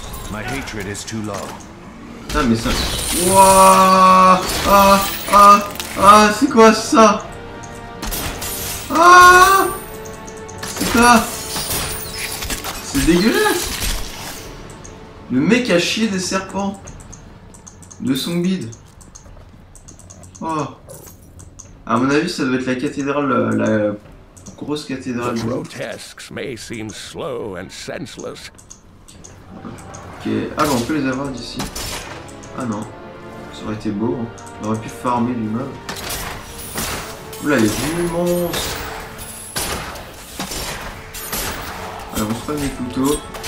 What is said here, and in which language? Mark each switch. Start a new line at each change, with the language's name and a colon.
English: My hatred is too low.
French: Ah mais ça... Wouah! Ah! Ah! Ah! C'est quoi ça? Ah! C'est quoi? C'est dégueulasse! Le mec a chié des serpents. De son bide. Oh. À mon avis, ça doit être la cathédrale... La grosse cathédrale.
English: Les grotesques may seem slow and senseless.
French: Ok, ah bah on peut les avoir d'ici. Ah non, ça aurait été beau, on aurait pu farmer du meuble. Oula, il y a du monstre. Alors on se prend des couteaux.